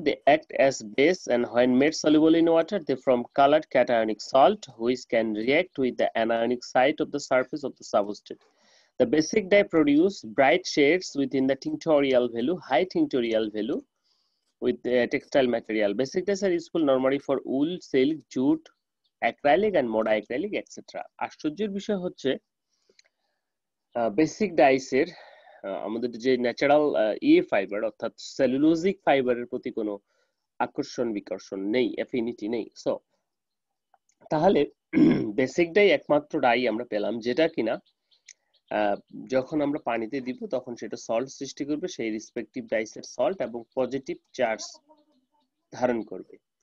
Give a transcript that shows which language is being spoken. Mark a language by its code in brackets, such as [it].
[en] They act as base and when made soluble in water they form coloured cationic salt which can react with the anionic site of the surface of the substrate. The basic dye produce bright shades with in the tinctorial value, high tinctorial value with textile material. Basic dyes are useful normally for wool, silk, jute, acrylic and monoacrylic etc. [bn] আশ্চর্যের বিষয় হচ্ছে basic dice এর আমাদের যে natural ইএ fibre অর্থাৎ cellulosic ফাইবারের প্রতি কোনো আকর্ষণ বিকর্ষণ নেই, অ্যাফিনিটি নেই। সো তাহলে বেসিক ডাই একমাত্র ডাই আমরা পেলাম যেটা কিনা যখন আমরা পানিতে দিব তখন সেটা সল্ট সৃষ্টি করবে, সেই রেসপেক্টিভ ডাইসের সল্ট এবং পজিটিভ চার্জ ধারণ করবে।